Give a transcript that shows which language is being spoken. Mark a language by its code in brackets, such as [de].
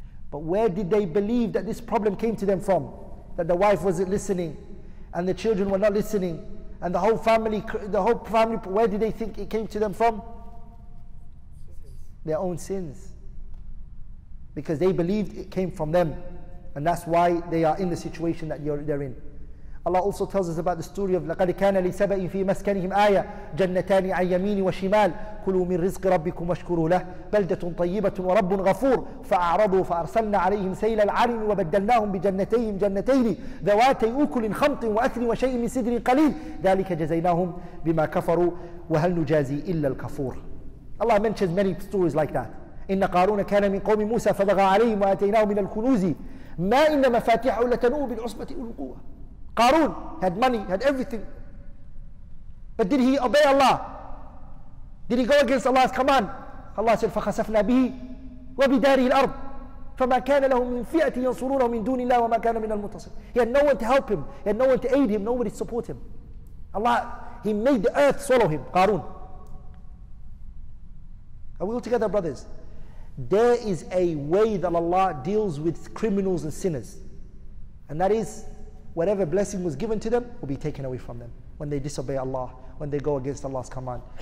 [en] But where did they believe that this problem came to them from? That the wife wasn't listening and the children were not listening and the whole family, where did they think it came to them from? Their own sins. Because they believed it came from them. And that's why they are in the situation that they're in. Allah also tells us about the story of [ar] لَقَدْ كَانَ لِسَبَئٍ فِي مَسْكَنِهِمْ آيَةٌ جَنَّتَانِ عَنْ يَمِينِ وَشِمَالِ كُلُوا مِنْ رِزْقِ رَبِّكُمْ وَاشْكُرُوا لَهُ بَلْدَةٌ طَيِّبَةٌ وَرَبٌّ غَفُورٌ فَأَعْرَضُوا فَأَرْسَلْنَا عَلَيْهِمْ سَيْلَ الْعَرِمِ وَبَدَّلْنَاهُمْ بِجَنَّتَيْهِمْ جَنَّتَيْنِ ذَوَاتَيْ أُكُلٍ خَمْطٍ وَأَثْلٍ وَشَيْءٍ مِنْ سِدْرٍ قَلِيلٍ ذَلِكَ جَزَيْنَاهُمْ بِمَا كَفَرُوا وَهَلْ نُجَازِي إِلَّا الْكَفُورَ. [en] Allah mentions many stories like that. [ar] إن قارون كان من قوم موسى فبغى عليهم وآتيناه من الكنوز ما إن مفاتيحه لتنوء بالعصبة أولي القوة. [en] Qarun had money, had everything. But did he obey Allah? Did he go against Allah's command? Allah said, [ar] فَخَسَفْنَا بِهِ وَبِدَارِهِ الْأَرْضِ فَمَا كَانَ لَهُ مِنْ فِيَأْتِ يَنْصُرُونَهُ مِنْ دُونِ اللَّهِ وَمَا كَانَ مِنَ الْمُتَصِرِ. [en] He had no one to help him. He had no one to aid him. Nobody to support him. Allah, he made the earth swallow him, Qarun. Are we all together, brothers? There is a way that Allah deals with criminals and sinners. And that is, whatever blessing was given to them will be taken away from them when they disobey Allah, when they go against Allah's command.